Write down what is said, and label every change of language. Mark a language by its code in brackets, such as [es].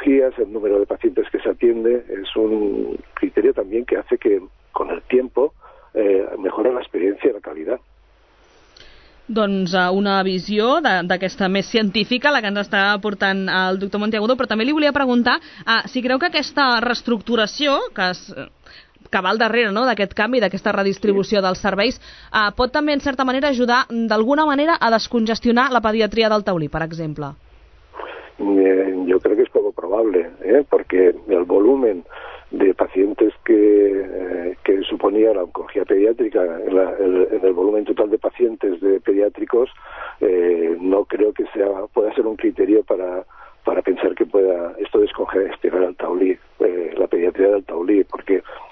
[es] patologías, el número de pacientes que se atiende, es un criterio también que hace que con el tiempo mejore la experiencia y la calidad. [ca] Doncs una visió d'aquesta més científica, la que ens està portant el doctor Montiagudo, però també li volia preguntar si creu que aquesta reestructuració que va al darrere, no?, d'aquest canvi, d'aquesta redistribució dels serveis, pot també, en certa manera, ajudar d'alguna manera a descongestionar la pediatria del Taulí, per exemple. Jo crec que és poc probable, perquè [es] el volumen de pacientes que suponía la oncología pediátrica en el volumen total de pacientes de pediátricos, no creo que sea pueda ser un criterio para pensar que pueda esto descongestionar al Taulí, la pediatría del Taulí, porque